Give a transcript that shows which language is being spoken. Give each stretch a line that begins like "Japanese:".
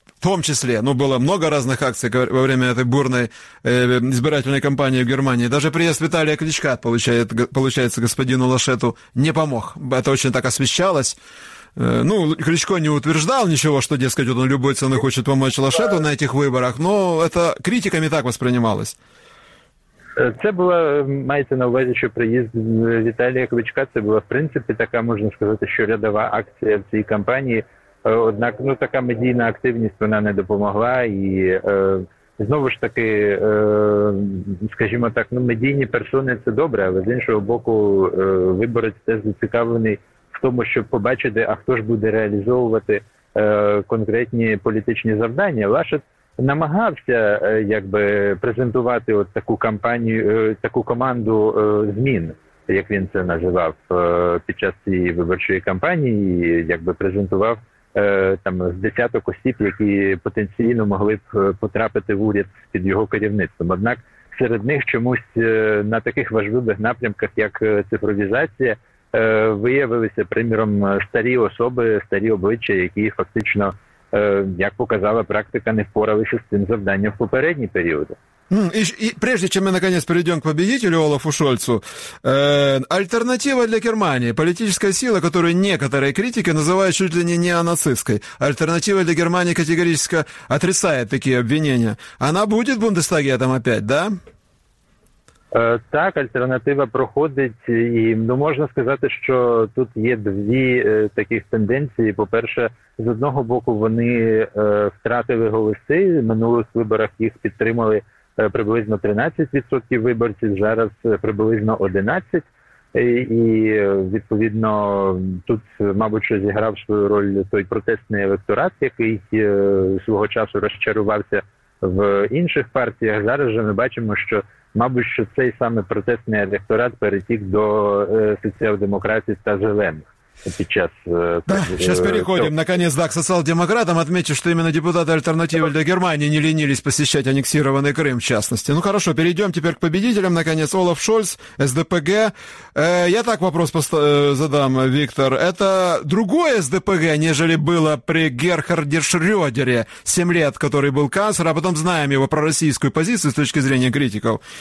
Russian: В том числе, ну, было много разных акций во время этой бурной избирательной кампании в Германии. Даже приезд Виталия Кличка, получается, господину Лашету не помог. Это очень так освещалось. Ну, Кличко не утверждал ничего, что, дескать, он любой ценой хочет помочь Лашету на этих выборах, но это критиками так воспринималось.
Ukrainian: Це було, мається на увазі, що приїзд Віталія Кличка, це була, в принципі, така, можна сказати, що рядова акція в цій кампанії. Однак, ну, така медійна активність, вона не допомогла, і знову ж таки, скажімо так, ну, медійні персони – це добре, але з іншого боку, виборець теж зацікавлений в тому, щоб побачити, а хто ж буде реалізовувати конкретні політичні завдання. Лашет намагався, якби, презентувати от таку кампанію, таку команду змін, як він це називав, під час цієї виборчої кампанії, якби презентував там з десяток осіб, які потенційно могли б потрапити в уряд під його керівництвом. Однак серед них чомусь на таких важливих напрямках, як цифровізація, виявилися, приміром, старі особи, старі обличчя, які фактично, як показала практика, не впоралися з цим завданням в попередні періоди.
Russian: И прежде чем мы наконец перейдем к победителю Олафу Шольцу, альтернатива для Германии, политическая сила, которую некоторые критики называют чуть ли не неонацистской, альтернатива для Германии категорически отрицает такие обвинения. Она будет в Бундестаге там опять, да?
Ukrainian: Так, альтернатива проходить, і, ну, можна сказати, що тут є дві таких тенденції. По-перше, з одного боку, вони втратили голоси, в минулих виборах їх підтримали приблизно 13% виборців, зараз приблизно 11%. І, відповідно, тут, мабуть, що зіграв свою роль той протестний електорат, який свого часу розчарувався в інших партіях. Зараз же ми бачимо, що, мабуть, що цей саме протестний електорат перетік до соціал-демократів та зелених.
Russian: Сейчас переходим, наконец, да, к социал-демократам. Отмечу, что именно депутаты альтернативы для Германии не ленились посещать аннексированный Крым, в частности. Ну хорошо, перейдем теперь к победителям, наконец, Олаф Шольц, СДПГ. Я так вопрос задам, Виктор. Это другое СДПГ, нежели было при Герхарде Шрёдере 7 лет, который был канцлером, а потом знаем его пророссийскую позицию с точки зрения критиков.